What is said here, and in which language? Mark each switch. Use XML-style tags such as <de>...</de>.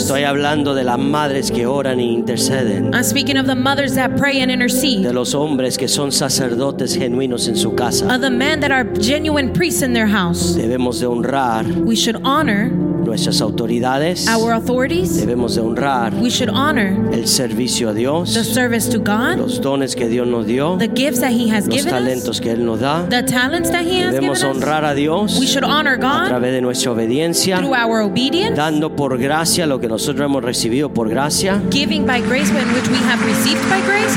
<es>Estoy hablando de las madres que oran e interceden.</es> <en>I'm speaking of the mothers that pray and intercede.</en> <es>De los hombres que son sacerdotes genuinos en su casa.</es> <en>Of the men that are genuine priests in their house.</en> <es>Debemos de honrar.</es> <en>We should honor</en> <es>nuestras autoridades.</es> <en>Our authorities.</en> <es>Debemos de honrar.</es> <en>We should honor</en> <es>el servicio a Dios.</es> <en>The service to God.</en> <es>Los dones que Dios nos dio.</es> <en>The gifts that he has given us.</en> <es>Los talentos que él nos da.</es> <en>The talents that he has given us.</en> <es>Debemos honrar a Dios.</es> <en>We should honor God.</en> <es>A través de nuestra obediencia.</es> <en>Through our obedience.</en> <es>Dando por gracia lo que nosotros hemos recibido por gracia.</es> <en>Giving by grace when which we have received by grace.</en>